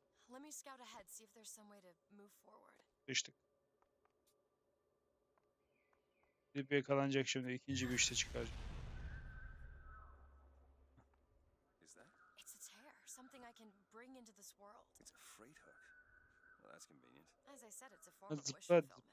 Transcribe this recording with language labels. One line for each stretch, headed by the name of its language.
English: Let me scout ahead, see if there's some way to move forward.
Turkish: Geçtik. Bir yakalanacak şimdi, ikinci bir işte çıkaracak.
English: It's a tear, something I can bring into this world. It's a freight hook. Well, that's convenient. As I said, it's a form of wish fulfillment.